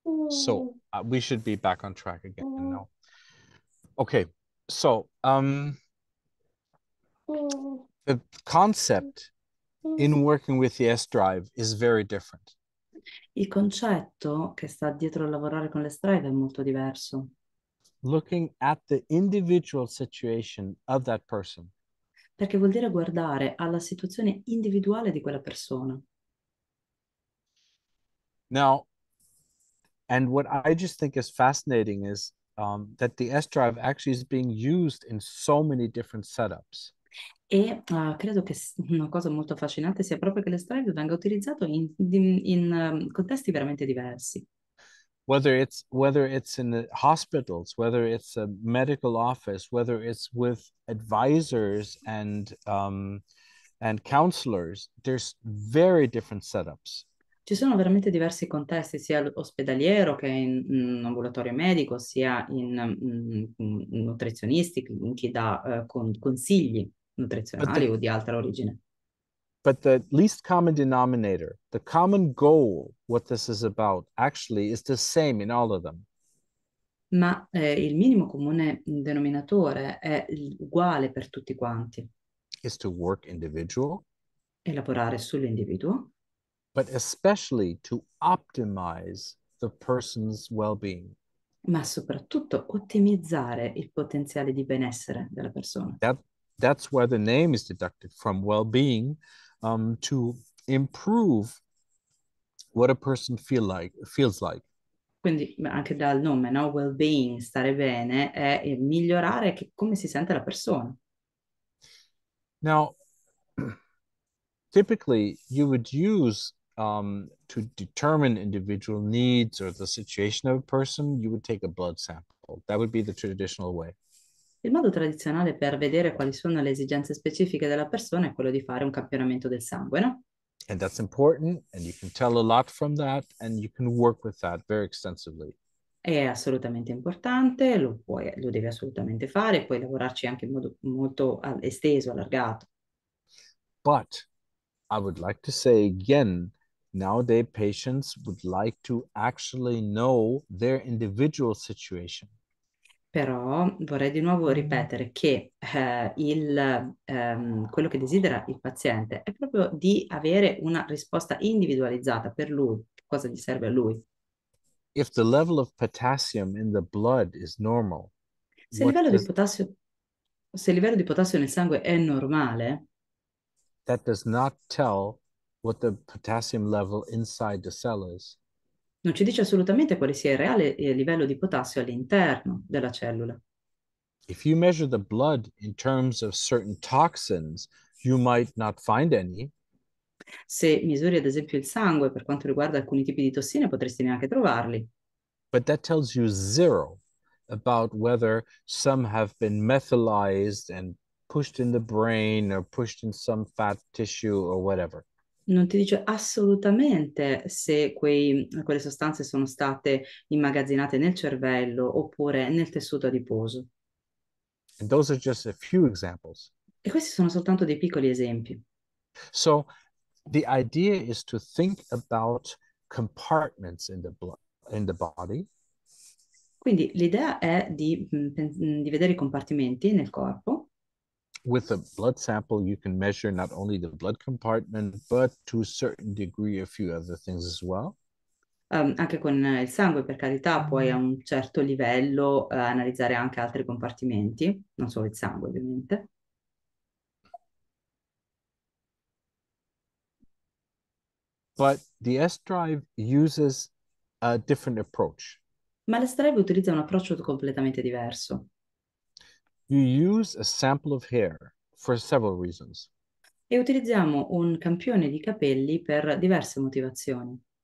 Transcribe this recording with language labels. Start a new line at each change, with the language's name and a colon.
English: So we should be back on track again now. Okay. So the concept in working with the S drive is very different.
Italian: Il concetto che sta dietro a lavorare con le strade è molto diverso.
English: Looking at the individual situation of that person.
Italian: Perché vuol dire guardare alla situazione individuale di quella persona.
English: Now, and what I just think is fascinating is that the S drive actually is being used in so many different setups.
Italian: E credo che una cosa molto affascinante sia proprio che l'S-Drive venga utilizzato in contesti veramente diversi.
English: whether it's in the hospitals, whether it's a medical office, whether it's with advisors and counselors, there's very different setups.
Italian: Ci sono veramente diversi contesti, sia ospedaliero che in ambulatorio medico, sia in nutrizionisti, in chi dà consigli nutrizionali o di altra origine.
English: But the least common denominator, the common goal, what this is about, actually is the same in all of them.
Italian: Ma il minimo comune denominatore è uguale per tutti quanti.
English: Is to work individual.
Italian: E lavorare sull'individuo.
English: But especially to optimize the person's well-being.
Italian: Ma soprattutto ottimizzare il potenziale di benessere della persona.
English: That's where the name is deducted from, well-being, to improve what a person feels like.
Italian: Quindi anche dal nome, no? Well-being, stare bene, è migliorare come si sente la persona.
English: Now, typically you would use to determine individual needs or the situation of a person, you would take a blood sample. That would be the traditional way.
Italian: Il modo tradizionale per vedere quali sono le esigenze specifiche della persona è quello di fare un campionamento del sangue, no?
English: And that's important, and you can tell a lot from that, and you can work with that very extensively.
Italian: È assolutamente importante, lo devi assolutamente fare, puoi lavorarci anche in modo molto esteso, allargato.
English: But I would like to say again, nowadays patients would like to actually know their individual situation.
Italian: Però vorrei di nuovo ripetere che quello che desidera il paziente è proprio di avere una risposta individualizzata per lui, cosa gli serve a lui.
English: If the level of potassium in the blood is normal,
Italian: se il livello di potassio nel sangue è normale,
English: that does not tell what the potassium level inside the cell is.
Italian: Non ci dice assolutamente quale sia il reale livello di potassio all'interno della cellula.
English: If you measure the blood in terms of certain toxins, you might not find any.
Italian: Se misuri ad esempio il sangue per quanto riguarda alcuni tipi di tossine, potresti neanche trovarli.
English: But that tells you zero about whether some have been methylized and pushed in the brain or pushed in some fat tissue or whatever.
Italian: Non ti dice assolutamente se quelle sostanze sono state immagazzinate nel cervello oppure nel tessuto adiposo.
English: And those are just a few examples.
Italian: E questi sono soltanto dei piccoli esempi.
English: So the idea is to think about compartments in the body.
Italian: Quindi l'idea è di vedere i compartimenti nel corpo.
English: With a blood sample, you can measure not only the blood compartment, but to a certain degree a few other things as well.
Italian: Anche con il sangue, per carità, puoi a un certo livello analizzare anche altri compartimenti, non solo il sangue, ovviamente.
English: But the S-Drive uses a different approach.
Italian: Ma l'S-Drive utilizza un approccio completamente diverso.
English: You use a sample of hair for several reasons.
Italian: E utilizziamo un campione di capelli per diverse motivazioni.